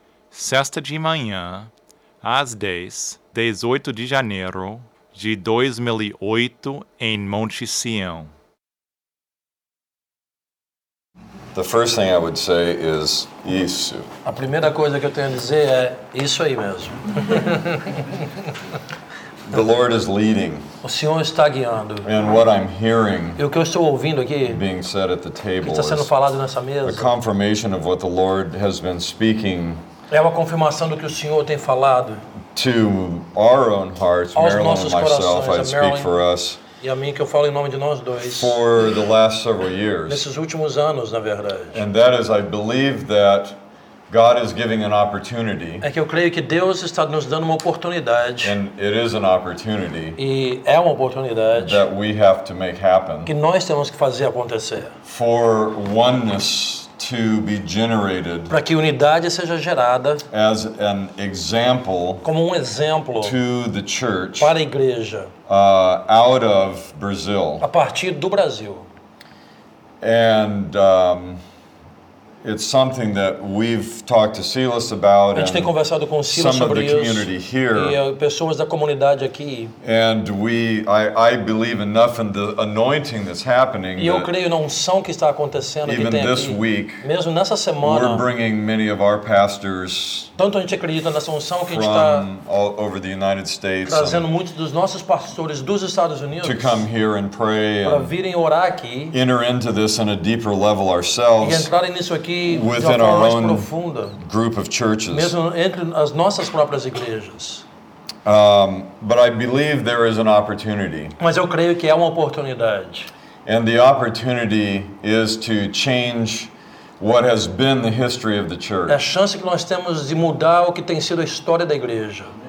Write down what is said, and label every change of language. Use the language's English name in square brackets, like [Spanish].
[Portuguese] Sexta de manhã, às 10, 18 de janeiro de 2008, em Monte Sião. [English] The first thing I would say is isso. [Portuguese] A primeira coisa que eu tenho a dizer é isso aí mesmo. [English] The Lord is leading. [Portuguese] O Senhor está guiando. [English] And what I'm hearing. [Portuguese] E o que eu estou ouvindo aqui. [English] Being said at the table. [Portuguese] Está sendo falado nessa mesa. [English] A confirmation of what the Lord has been speaking. [Portuguese] É uma confirmação do que o Senhor tem falado. [English] To our own hearts, Marilyn and myself, I speak for us. [Portuguese] E a mim que eu falo em nome de nós dois. [English] For the last several years. [Portuguese] Nesses últimos anos, na verdade. [English] And that is, I believe that God is giving an opportunity. [Portuguese] É que eu creio que Deus está nos dando uma oportunidade. [English] And it is an opportunity. [Portuguese] E é uma oportunidade. [English] That we have to make happen. [Portuguese] Que nós temos que fazer acontecer. [English] For oneness to be generated. [Portuguese] Para que unidade seja gerada. [English] As an example. [Portuguese] Como um exemplo. [English] To the church. [Portuguese] Para a igreja. [English] Out of Brazil. [Portuguese] A partir do Brasil. [English] And it's something that we've talked to Silas about. [Portuguese] A gente [English] and [Portuguese] tem conversado com Silas [English] some [Portuguese] sobre [English] of the community [Portuguese] isso, [English] here. [Portuguese] E pessoas da comunidade aqui. [English] And I believe enough in the anointing that's happening. [Portuguese] E eu creio na unção que está acontecendo [English] even [Portuguese] que tem [English] this [Portuguese] aqui, [English] week. [Portuguese] Mesmo nessa semana. [English] We're bringing many of our pastors. [Portuguese] Tanto a gente acredita nessa unção que a gente está trazendo muitos dos nossos pastores dos Estados Unidos [English] to come here and pray [Portuguese] para virem orar aqui. [English] Enter into this in a deeper level ourselves. [Portuguese] E entrar nisso aqui. [English] Within our own [Portuguese] profunda, [English] group of churches. [Portuguese] Mesmo entre as nossas próprias igrejas. [English] But I believe there is an opportunity. [Portuguese] Mas eu creio que é uma oportunidade. [English] And the opportunity is to change what has been the history of the church. [Portuguese] É a chance que nós temos de mudar o que tem sido a história da igreja.